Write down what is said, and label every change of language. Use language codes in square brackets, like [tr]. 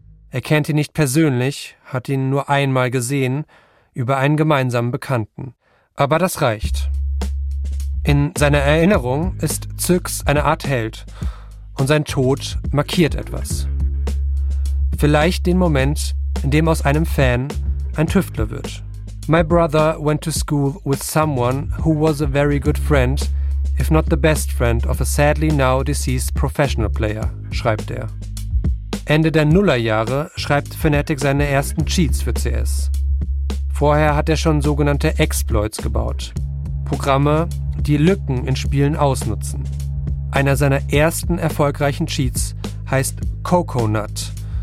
[de] Er kennt ihn nicht persönlich, hat ihn nur einmal gesehen, über einen gemeinsamen Bekannten. Aber das reicht. In seiner Erinnerung ist Zyx eine Art Held und sein Tod markiert etwas. Vielleicht den Moment, in dem aus einem Fan ein Tüftler wird. [en] My brother went to school with someone who was a very good friend, if not the best friend of a sadly now deceased professional player, [de] schreibt er. Ende der Nullerjahre schreibt Fnatic seine ersten Cheats für CS. Vorher hat er schon sogenannte Exploits gebaut. Programme, die Lücken in Spielen ausnutzen. Einer seiner ersten erfolgreichen Cheats heißt Coconut.